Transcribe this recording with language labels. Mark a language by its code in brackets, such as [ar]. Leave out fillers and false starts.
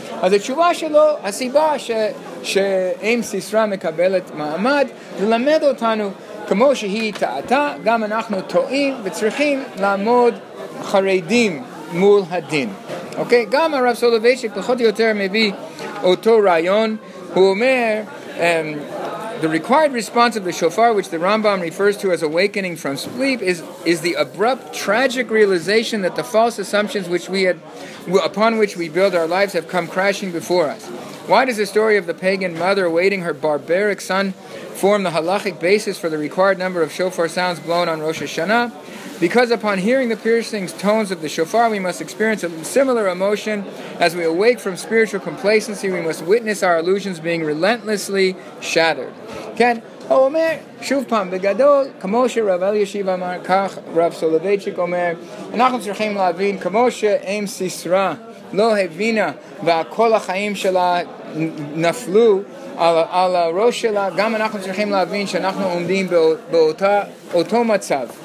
[he] אז התשובה שלו, הסיבה שאם סיסרה מקבלת מעמד, ללמד אותנו כמו שהיא טעתה, גם אנחנו טועים וצריכים לעמוד חרדים מול הדין. אוקיי? גם הרב סולובייצ'יק פחות או יותר מביא אותו רעיון, הוא אומר, [en] the required response of the shofar, which the Rambam refers to as awakening from sleep, is the abrupt, tragic realization that the false assumptions which we had, upon which we build our lives have come crashing before us. Why does the story of the pagan mother awaiting her barbaric son form the halachic basis for the required number of shofar sounds blown on Rosh Hashanah? Because upon hearing the piercing tones of the shofar, we must experience a similar emotion. As we awake from spiritual complacency, we must witness our illusions being relentlessly shattered. [he] כן, הוא אומר, שוב פעם, בגדול, כמו שרב אלישיב אמר, כך רב סולובייצ'יק אומר, אנחנו צריכים להבין, כמו שאם סיסרה לא הבינה, וכל החיים שלה נפלו על, על הראש שלה, גם אנחנו צריכים להבין שאנחנו עומדים באותו מצב.